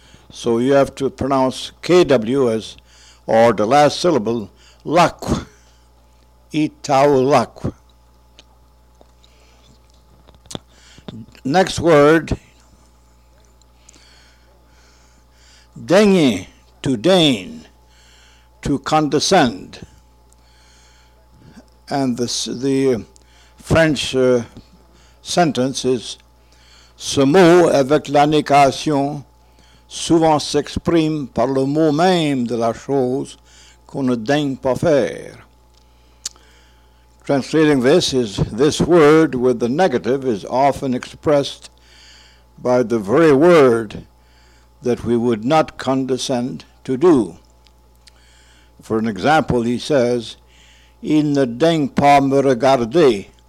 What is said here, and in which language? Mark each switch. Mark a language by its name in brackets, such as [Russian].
[English] So you have to pronounce KW as, or the last syllable, luck, itau luck. Next word, dengi, to deign, to condescend. And the French sentence is [French] ce mot avec la négation souvent s'exprime par le mot même de la chose qu'on ne daigne pas faire. [English] Translating this is this word with the negative is often expressed by the very word that we would not condescend to do. For an example, he says, [French] il ne daigne pas me regarder.